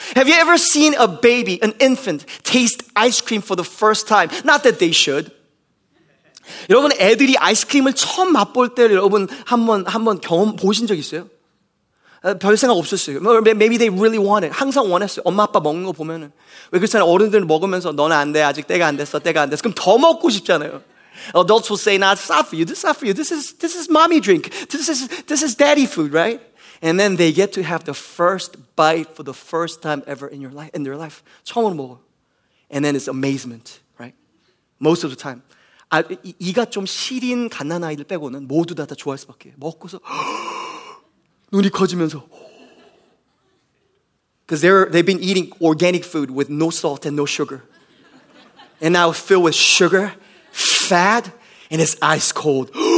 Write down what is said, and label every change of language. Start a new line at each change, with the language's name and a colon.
English: Have you ever seen a baby, an infant, taste ice cream for the first time? Not that they should.
Korean: 여러분 애들이 아이스크림을 처음 맛볼 때 여러분 한번 경험 보신 적 있어요? 별 생각 없었어요.
English: Maybe they really want it.
Korean: 항상 원했어요. 엄마 아빠 먹는 거 보면은 왜 그렇잖아요. 어른들 먹으면서 너는 안 돼. 아직 때가 안 됐어. 그럼 더 먹고 싶잖아요.
English: Adults will say, "Nah, it's not for you. This is not for you. This is mommy drink. This is daddy food, right?" And then they get to have the first bite for the first time ever in your life in their life.
Korean: 처음으로 먹어.
English: And then it's amazement, right? Most of the time.
Korean: 아, 이가 좀 시린 갓난 아이들 빼고는 모두 다 좋아할 수밖에. 먹고서 눈이 커지면서
English: because they've been eating organic food with no salt and no sugar and now filled with sugar, fat and it's ice cold.